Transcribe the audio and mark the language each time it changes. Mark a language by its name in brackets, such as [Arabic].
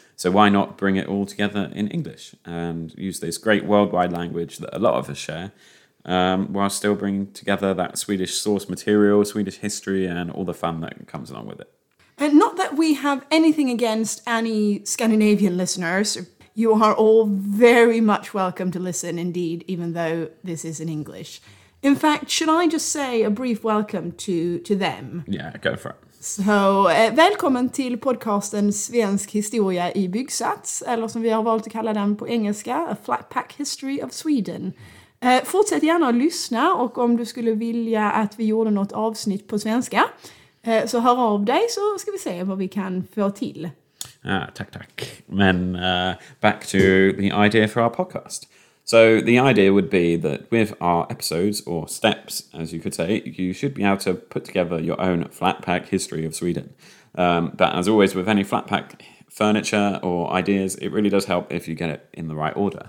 [English] So why not bring it all together in English and use this great worldwide language that a lot of us share, while still bringing together that Swedish source material, Swedish history, and all the fun that comes along with it. And not that we have anything against any Scandinavian listeners. You are all very much welcome to listen, indeed, even though this is in English. In fact, should I just say a brief welcome to them? Yeah, go for it. [Swedish] So, välkommen till podcasten Svensk historia i byggsats, eller som vi har valt att kalla den på engelska, A Flat Pack History of Sweden. Fortsätt gärna att lyssna, och om du skulle vilja att vi gjorde något avsnitt på svenska, så hör av dig så ska vi se vad vi kan få till. Tack. [English] Men back to the idea for our podcast. So the idea would be that with our episodes, or steps, as you could say, you should be able to put together your own flat pack history of Sweden. But as always, with any flat pack furniture or ideas, it really does help if you get it in the right order.